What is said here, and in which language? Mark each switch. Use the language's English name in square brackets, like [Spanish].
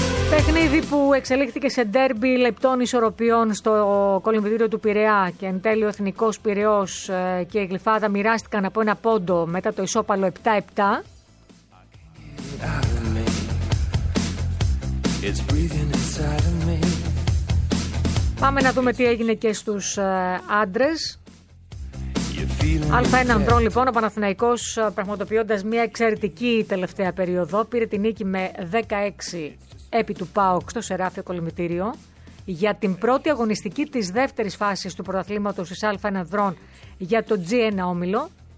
[Greek] Παιχνίδι που εξελίχθηκε σε ντέρμπι λεπτών ισορροπιών στο κολυμβητήριο του Πειραιά και εν τέλει ο Εθνικός Πειραιός και η Γλυφάδα μοιράστηκαν από ένα πόντο μετά το ισόπαλο 7-7. [English] It's breathing inside of me. [Greek] Πάμε να δούμε τι έγινε και στους άντρες. Α1 ανδρών, λοιπόν, ο Παναθηναϊκός, πραγματοποιώντας μια εξαιρετική τελευταία περίοδο, πήρε την νίκη με 16 επί του ΠΑΟΚ στο Σεράφιο Κολυμητήριο για την πρώτη αγωνιστική της δεύτερης φάσης του πρωταθλήματος της Α1 ανδρών για το G1 όμιλο.